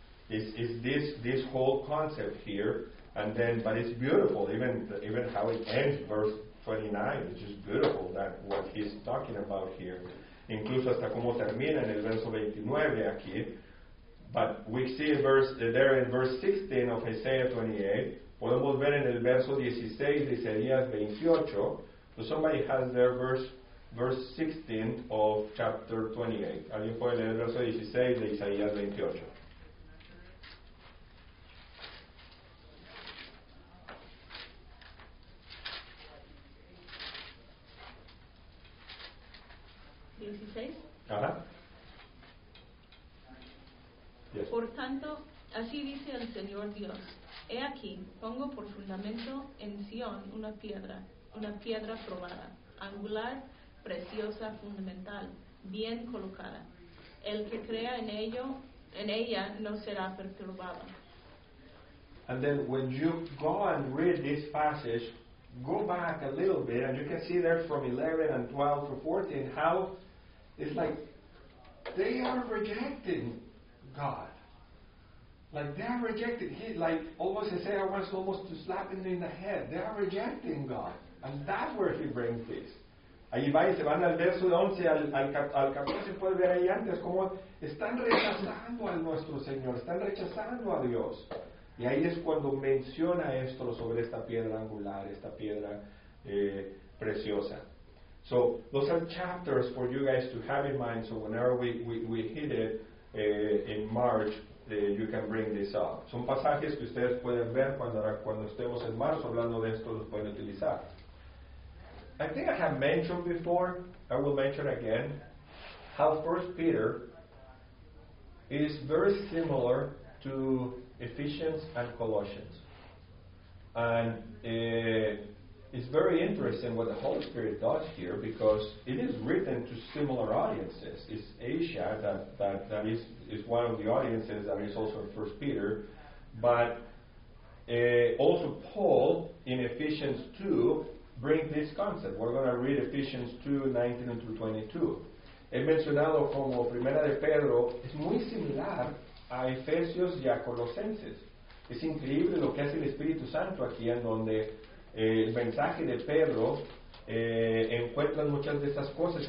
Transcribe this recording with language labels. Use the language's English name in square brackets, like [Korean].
[English] Is this whole concept here, and then but it's beautiful, even how it ends verse 29. It's just beautiful that what he's talking about here. [Spanish] Incluso hasta cómo termina en el verso 29 aquí. [English] But we see there in verse 16 of Isaiah 28. [Spanish] Podemos ver en el verso 16 de Isaías 28. [English] So somebody has their verse 16 of chapter 28. [Spanish] ¿Alguien puede leer el verso 16 de Isaías 28? Isaías 16. Uh-huh. [English] Yes. [Spanish] Por tanto, así dice el Señor Dios: he aquí, pongo por fundamento en Sion una piedra probada, angular, preciosa, fundamental, bien colocada. El que crea en ello, en ella, no será perturbado. [English] And then when you go and read this passage, go back a little bit, and you can see there from 11 and 12 to 14 how it's like they are rejecting God. Like they are rejecting. He, like almost Isaiah wants almost to slap him in the head. They are rejecting God. And that's where he brings this. [Spanish] Ahí va y se van al verso 11, al 14, se puede ver ahí antes, como están rechazando a nuestro Señor, están rechazando a Dios. Y ahí es cuando menciona esto sobre esta piedra angular, esta piedra preciosa. [English] So, those are chapters for you guys to have in mind, so whenever we hit it in March, you can bring this up. [Spanish] Son pasajes que ustedes pueden ver cuando estemos en marzo hablando de esto, los pueden utilizar. [English] I think I have mentioned before, I will mention again, how 1 Peter is very similar to Ephesians and Colossians. And it's very interesting what the Holy Spirit does here, because it is written to similar audiences. It's Asia that is one of the audiences that is also in 1 Peter. But also Paul in Ephesians 2 bring this concept. We're going to read Ephesians 2:19-22. [Spanish] He mencionado como Primera de Pedro es muy similar a Efesios y a Colosenses. Es increíble lo que hace el Espíritu Santo aquí, en donde el mensaje de Pedro encuentra muchas de estas cosas.